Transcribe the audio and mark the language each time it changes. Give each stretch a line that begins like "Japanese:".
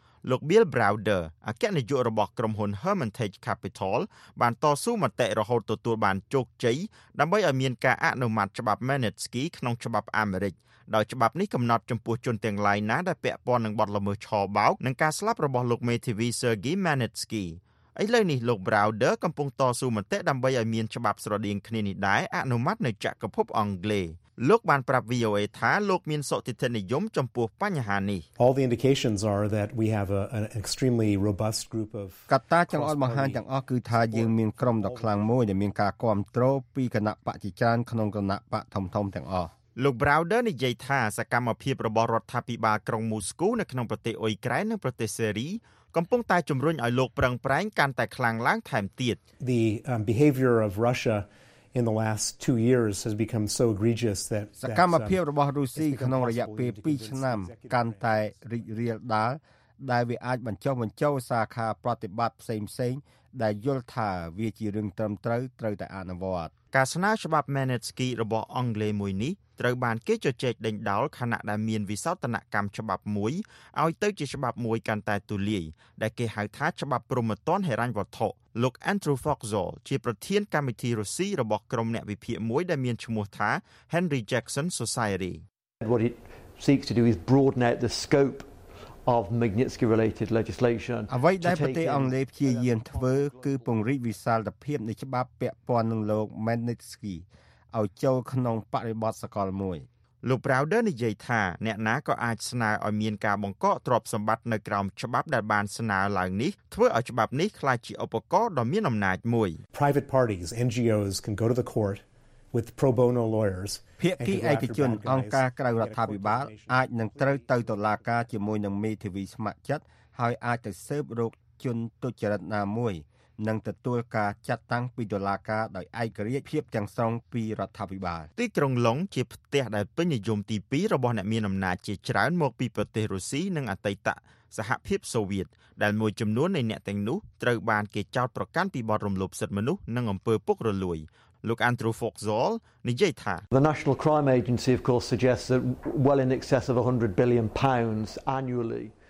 Khmer: លោក Bill Browder អគ្គនាយករបស់ក្រុមហ៊ុន Hermitage Capital បានតស៊ូមតិរហូតទទួលបានជោគជ័យដើម្បីឲ្យមានការអនុម័តច្បាប់ Magnitsky ក្នុងច្បាប់អាមេរិកដោយច្បាប់នេះកំណត់ចំពោះជនទាំងឡាយណាដែលពាក់ព័ន្ធនឹងបទល្មើសឆបោកនិងការស្លាប់របស់លោកមេធាវី Sergey Magnitskyឥឡូវនេះលោក Browder កំពុងតស៊ូមតិដើម្បីឲ្យមានច្បាប់ស្រដៀងគ្នានេះដែរអនុម័តនៅចក្រភពអង់គ្លេសលោកបានប្រាប់ VOA ថាលោកមានសុតិធននិយមចំពោះបញ្ហានេះ
English: All the indications are that we have an extremely robust group of
Khmer: កត្តាចំអល់មហាទាំងអស់គឺថាយើងមានក្រុមដ៏ខ្លាំងមួយដែលមានការគ្រប់គ្រងពីគណៈបច្ចារណក្នុងគណៈបធំធំទាំងអស់ លោក Browder និយាយថាសកម្មភាពរបស់រដ្ឋាភិបាលក្រុងមូស្គូនៅក្នុងប្រទេសអ៊ុយក្រែននិងប្រទេសសេរីកំពុងតែជំរុញឲ្យលោកប្រឹងប្រែងកាន់តែខ្លាំងឡើងថែមទៀត
English: The behavior of Russia in the last 2 years has become so egregious that
Khmer: សកម្មភាពរបស់រុស្ស៊ីក្នុងរយៈពេល2ឆ្នាំកាន់តែរីករាលដាលដែលវាអាចបញ្ចុះបញ្ចោសាខាប្រតិបត្តិផ្សេងៗដែលយល់ថាវាជារឿងត្រឹមត្រូវតែអនុវត្ត ការស្នើច្បាប់ Magnitsky របស់អង់គ្លេសមួយនេះត្រូវបានគេជជែកដេញដោលខណៈដែលមានវិសោធនកម្មច្បាប់មួយឲ្យទៅជាច្បាប់មួយកាន់តែទូលាយដែលគេហៅថាច្បាប់ព្រហ្មទណ្ឌហិរញ្ញវត្ថុលោក Andrew Foxall ជាប្រធានគណៈទីរុស្ស៊ីរបស់ក្រុមអ្នកវិភាគមួយដែលមានឈ្មោះថា Henry Jackson Society
English: What it seeks to do is broaden out the scopeof Magnitsky related legislation
Khmer: អ្វីដែលប្រទេសអង់គ្លេសព្យាយាមធ្វើគឺពង្រីកវិសាលភាពនៃច្បាប់ពាក់ព័ន្ធនឹងលោក Magnitsky ឲ្យចូលក្នុងបរិបទសកលមួយ លោក Browder និយាយថាអ្នកណាក៏អាចស្នើឲ្យមានការបង្កកទ្រព្យសម្បត្តិនៅក្រោមច្បាប់ដែលបានស្នើឡើងនេះធ្វើឲ្យច្បាប់នេះក្លាយជាឧបករណ៍ដ៏មានអំណាចមួយ
English: Private parties NGOs can go to the court with pro bono lawyers
Khmer: ភាគីឯកជនអង្គការក្រៅរដ្ឋាភិបាលអាចនឹងត្រូវទៅតុលាការជាមួយនឹងមេធាវីស្ម័គ្រចិត្តហើយអាចទៅស៊ើបរកជនទុច្ចរិតណាមួយនឹងទទួលការចាត់តាំងពីតុលាការដោយឯករាជ្យភាពទាំងស្រុងពីរដ្ឋាភិបាល ទីក្រុងឡុងជាផ្ទះដែលពេញនិយមទី2របស់អ្នកមានអំណាចជាច្រើនមកពីប្រទេសរុស្ស៊ីនិងអតីតសហភាពសូវៀតដែលមួយចំនួននៃអ្នកទាំងនោះត្រូវបានគេចោទប្រកាន់ពីបទរំលោភសិទ្ធិមនុស្សនិងអំពើពុករលួយLook Andrew Foxall និយាយថា
English: The National Crime Agency of course suggests that well in excess of £100 billion annually